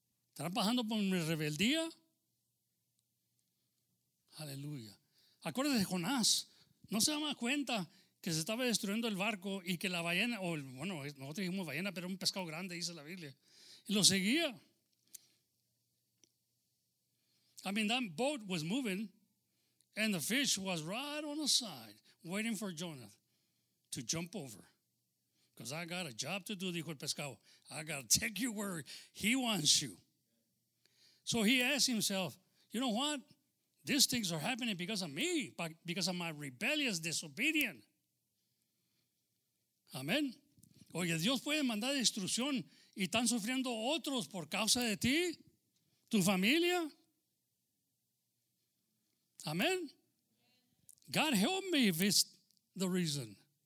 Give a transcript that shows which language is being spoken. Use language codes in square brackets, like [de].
[es] ¿Estarán pasando por mi rebeldía? Aleluya. Acuérdate de Jonás. No se daba cuenta que se estaba destruyendo el barco y que la ballena, nosotros dijimos ballena, pero un pescado grande, dice la Biblia. Y lo seguía. [en] I mean, that boat was moving and the fish was right on the side waiting for Jonah to jump over. Because I got a job to do, [es] dijo el pescado. [en] I got to take your word. He wants you. So he asked himself, you know what? These things are happening because of me, because of my rebellious disobedience. Amen. [es] Oye, Dios puede mandar destrucción y están sufriendo otros por causa de ti, tu familia. Amen. [en] God help me if it's the reason.